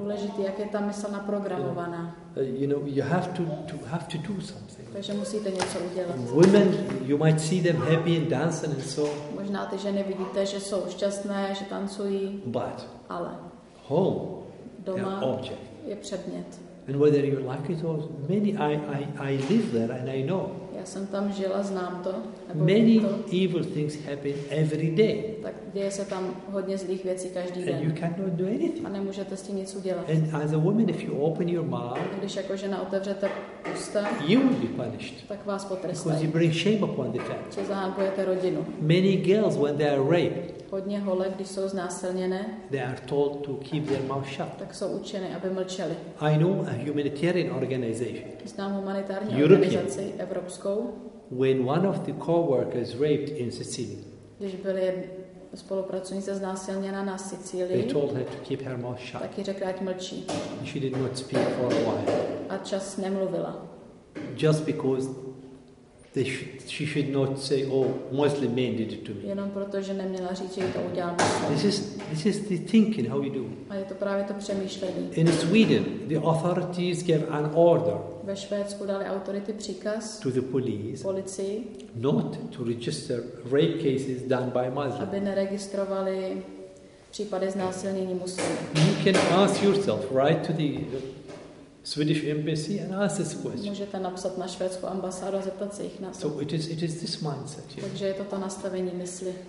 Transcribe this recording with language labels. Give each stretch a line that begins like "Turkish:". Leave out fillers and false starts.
Czech: Důležité, jak je ta mysl naprogramovaná.
English: You know, you have to do something.
Czech: Takže musíte něco udělat.
English: Women, you might see them happy and dancing and so.
Czech: Možná ty ženy vidíte, že jsou šťastné, že tancují.
English: But.
Czech: Ale.
English: Home.
Czech: Doma.
English: Object.
Czech: Je předmět.
English: And whether you like it or many, I live there and I know.
Czech: Já jsem tam žila, znám to.
English: Many evil things happen every day.
Czech: Tak děje se tam hodně zlých věcí každý den.
English: And you cannot do anything.
Czech: A nemůžete s tím nic udělat.
English: And as a woman, if you open your mouth,
Czech: když jako žena otevřete ústa,
English: you will be punished.
Czech: Tak vás potrestají.
English: Because you bring shame upon the family.
Czech: Co zahanbujete rodinu.
English: Many girls, when they are raped,
Czech: hodně hole, když jsou znásilněné,
English: they are told to keep their mouth shut.
Czech: Tak jsou učeny, aby mlčeli.
English: I know a humanitarian organization.
Czech: Znám humanitární organizaci evropskou.
English: When one of the co-workers raped in Sicily.
Czech: Když byla spolupracovnice znásilněna na Sicílii.
English: They told her to keep her mouth shut.
Czech: Taky řekla, ať mlčí.
English: She did not speak for a while.
Czech: A čas nemluvila.
English: Just because she should not say, "Oh, Muslim men did it to me."
Czech: Jenom proto, že neměla říct, že to udělal.
English: This is the thinking how you do.
Czech: A je to právě to přemýšlení.
English: In Sweden, the authorities gave an order.
Czech: Ve Švédsku dali autority příkaz.
English: To the police.
Czech: Policii.
English: Not to register rape cases done by Muslims.
Czech: Aby neregistrovali případy znásilnění muslimů.
English: You can ask yourself, write to the Swedish embassy and ask this question.
Czech: Můžete napsat na švédskou ambasádu a zeptat se jich na to.
English: So it is this mindset. Yeah.
Czech: Takže je to ta nastavení mysli.